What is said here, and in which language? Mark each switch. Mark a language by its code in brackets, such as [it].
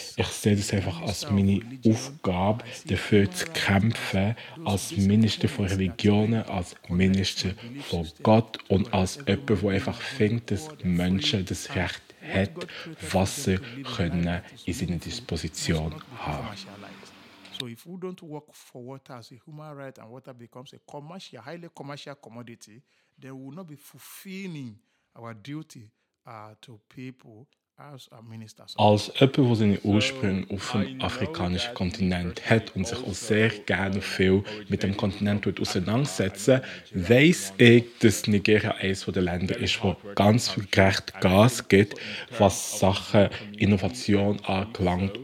[de] Ich sehe das einfach als meine Aufgabe, dafür zu kämpfen, als Minister von Religionen, als Minister von Gott und als jemand, der einfach findet, dass Menschen das Recht hat, Wasser können in seiner Disposition haben. [en] So if we don't work for water as a human right and water becomes a commercial, highly commercial commodity, then we will not be fulfilling our duty to people [de] Als jemand, der seine Ursprünge auf dem afrikanischen Kontinent hat und sich auch sehr gerne viel mit dem Kontinent auseinandersetzt, weiss ich, dass Nigeria eines der Länder ist, wo ganz viel gerecht Gas gibt, was Sachen Innovation anbelangt.